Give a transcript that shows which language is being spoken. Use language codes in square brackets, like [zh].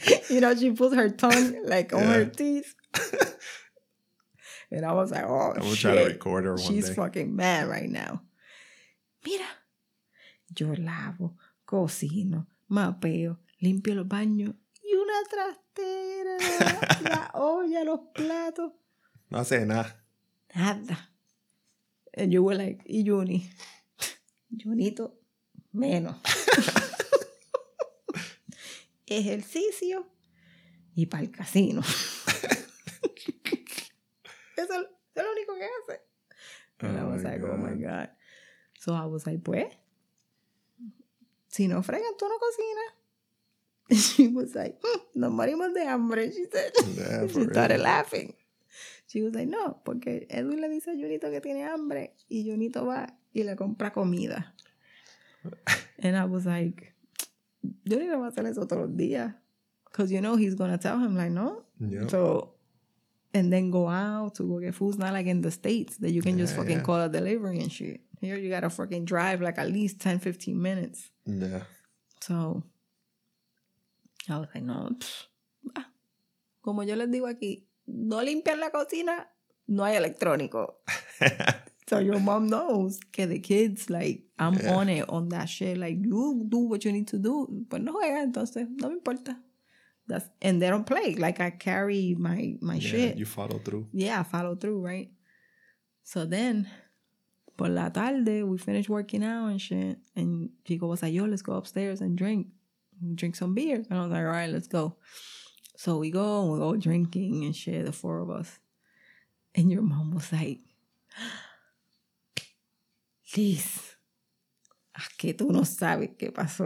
[en] You know, she put her tongue like on her teeth. And I was like, oh, shit. I'm gonna try to record her one She's day. Fucking mad right now. [es] Mira. Yo lavo. Cocino, mapeo, limpio los baños y una trastera, la olla, los platos. No hace nada. Nada. [en] And you were like, [es] ¿y Juni? Junito, menos. Ejercicio y para el casino. Eso es lo único que hace. [en] And oh I was like, God. Oh my God. So I was like, [es] pues. Si no fregan, tú no cocinas. [en] She was like, [es] nos morimos de hambre. [en] She said, she started laughing. She was like, [es] no, porque Edwin le dice a Junito que tiene hambre y Junito va y le compra comida. [en] And I was like, [es] yo no iba a hacer eso todos los días. [en] Because you know he's going to tell him, like, no. Yep. So, and then go out to go get food. It's not like in the States that you can just fucking call a delivery and shit. Here you gotta fucking drive like at least 10, 15 minutes. Yeah. So I was like, no. [es] Como yo les digo aquí, no limpiar la cocina, no hay electrónico. [en] So your mom knows [es] que [en] the kids, like, I'm on it, on that shit. Like, you do what you need to do. [es] Pues no juega, entonces, no me importa. [en] That's, and they don't play. Like, I carry my shit. You follow through. Yeah, I follow through, right? So then [es] por la tarde, [en] we finished working out and shit. And Chico was like, yo, let's go upstairs and drink some beer. And I was like, all right, let's go. So we go, and we're all drinking and shit, the four of us. And your mom was like, [es] Liz, ¿a que tú no sabes qué pasó?